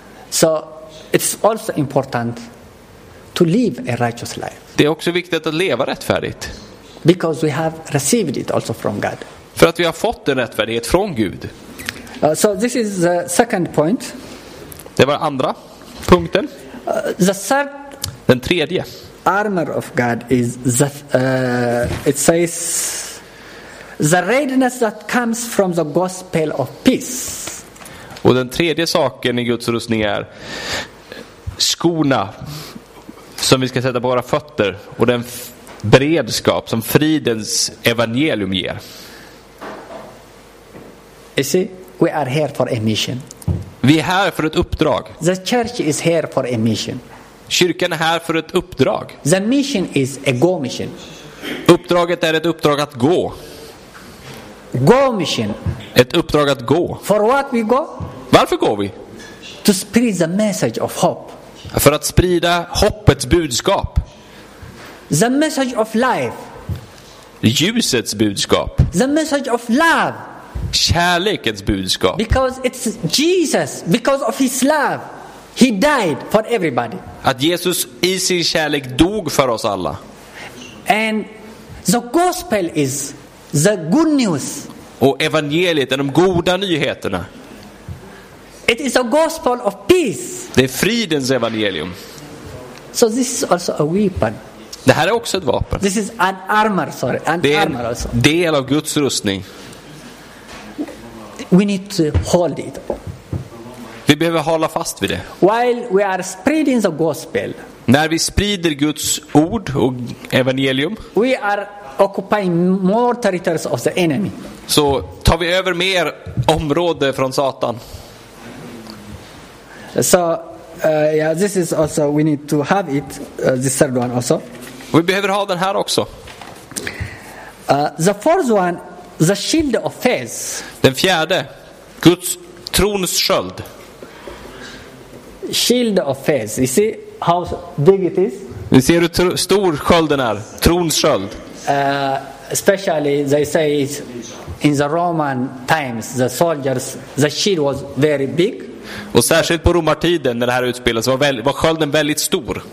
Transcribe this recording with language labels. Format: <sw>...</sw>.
<en>So it's also important to live a righteous life.</en> <sv>Det är också viktigt att leva rättfärdigt.</sv> <en>Because we have received it also from God.</en> <sv>För att vi har fått en rättfärdighet från Gud.</sv> <en>So this is the second point.</en> <sv>Det var andra punkten.</sv> <en>The third.</en> <sv>Den tredje.</sv> <en>Armor of God is the. It says. The readiness that comes from the gospel of peace.</en> <sv>Och den tredje saken i Guds rustning är skorna som vi ska sätta på våra fötter och den beredskap som fridens evangelium ger.</sv> <en>You see, we are here for a mission.</en> <sv>Vi är här för ett uppdrag.</sv> <en>The church is here for a mission.</en> <sv>Kyrkan är här för ett uppdrag.</sv> <en>The mission is a go mission.</en> <sv>Uppdraget är ett uppdrag att gå.</sv> <en>Go mission.</en> <sv>Ett uppdrag att gå.</sv> <en>For what we go?</en> <sv>Varför går vi?</sv> <en>To spread the message of hope.</en> <sv>För att sprida hoppets budskap.</sv> <en>The message of life.</en> <sv>Ljusets budskap.</sv> <en>The message of love.</en> <sv>Kärlekens budskap.</sv> <en>Because it's Jesus, because of his love, he died for everybody.</en> <sv>Att Jesus i sin kärlek dog för oss alla.</sv> <en>And the gospel is the good news.</en> <sv>Och evangeliet är de goda nyheterna.</sv> <en>It is a gospel of peace.</en> <sv>Det är fridens evangelium.</sv> <en>So this is also a weapon.</en> <sv>Det här är också ett vapen.</sv> <en>This is an armor, sorry, an</en> <sv>det är en</sv> <en>armor also.</en> <sv>Del av Guds rustning.</sv> <en>We need to hold it.</en> <sv>Vi behöver hålla fast vid det.</sv> <en>While we are spreading the gospel.</en> <sv>När vi sprider Guds ord och evangelium.</sv> <en>We are occupying more territories of the enemy.</en> <sv>Så tar vi över mer område från Satan.</sv> <en>So yeah, this is also we need to have it, this third one also.</en> <sv>Och vi behöver ha den här också.</sv> <en>The fourth one, the shield of faith.</en> <sv>Den fjärde, Guds trons sköld.</sv> <en>Shield of faith. You see how big it is?</en> <sv>Ni ser hur stor skölden är, trons sköld.</sv> <en>Especially they say in the Roman times the soldiers the shield was very big.</en> <sv>Och särskilt på romartiden när det här utspelades var skölden väldigt stor.</sv>